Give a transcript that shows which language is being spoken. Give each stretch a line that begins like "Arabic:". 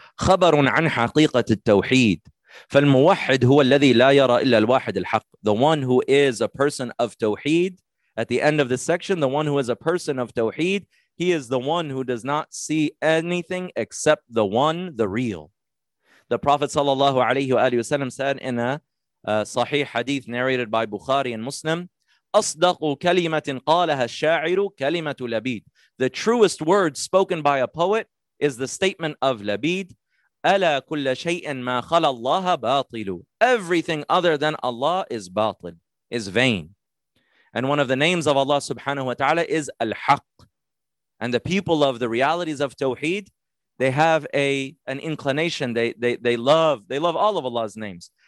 Arabic: خبر عن حقيقة التوحيد فالموحد هو الذي لا يرى إلا الواحد الحق.
English: The one who is a person of tawheed, at the end of this section, the one who is a person of tawheed, he is the one who does not see anything except the one, the real. The Prophet
Arabic: صلى الله عليه وآله وسلم
English: said in a
Arabic: صحيح حديث
English: narrated by Bukhari and Muslim,
Arabic: أصدق كلمة قالها الشاعر كلمة لبيد.
English: The truest word spoken by a poet is the statement of Labid,
Arabic: أَلَا كُلَّ شَيْءٍ مَا خَلَى اللَّهَ بَاطِلُ.
English: Everything other than Allah is batil, is vain. And one of the names of Allah subhanahu wa ta'ala is Al-Haq. And the people of the realities of Tawheed, they have an inclination, they love all of Allah's names.